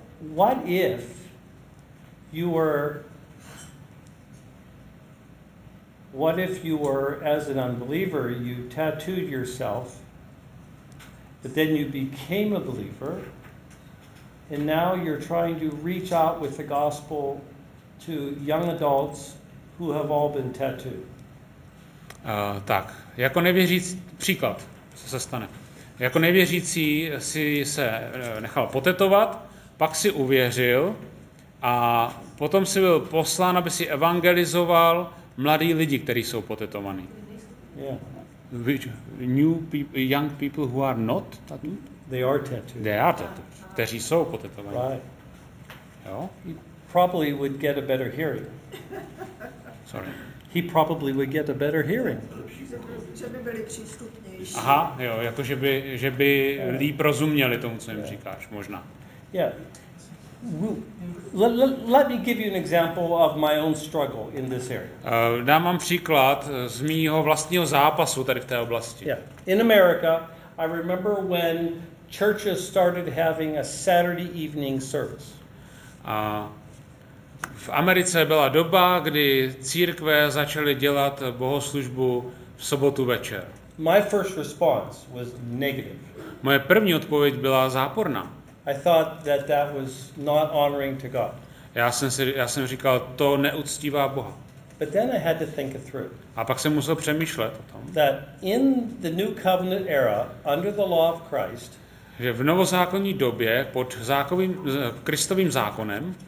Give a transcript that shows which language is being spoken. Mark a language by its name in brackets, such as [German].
[English] What if you were as an unbeliever you tattooed yourself, but then you became a believer, and now you're trying to reach out with the gospel to young adults who have all been tattooed. [Czech] Tak, jako nevěřící, příklad, co se stane. Jako nevěřící si se nechal potetovat, pak si uvěřil a potom si byl poslán, aby si evangelizoval mladý lidi, kteří jsou potetovaní. [English] Yeah. Which new people, young people who are not tattooed? They are tattooed. They are tattooed. [Czech] Kteří jsou potetovaní. [English] Right. [Czech] Jo? [English] He probably would get a better hearing. Sorry. He probably would get a better hearing. [Czech] Že by byli přístupnější. Aha, jo, jako že by líp rozuměli tomu, co jim říkáš, možná. [English] Yeah. Let me give you an example of my own struggle in this area. [Czech] Dám vám příklad z mýho vlastního zápasu tady v té oblasti. [English] Yeah. In America, I remember when churches started having a Saturday evening service. [Czech] V Americe byla doba, kdy církve začaly dělat bohoslužbu v sobotu večer. [English] My first response was negative. [Czech] Moje první odpověď byla záporná. [English] I thought that was not honoring to God. [Czech] Já jsem říkal, to neuctívá Boha. [English] But then I had to think it through. [Czech] A pak jsem musel přemýšlet o tom. [English] That in the new covenant era under the law of Christ. [Czech] Že v novozákonní době pod Kristovým zákonem.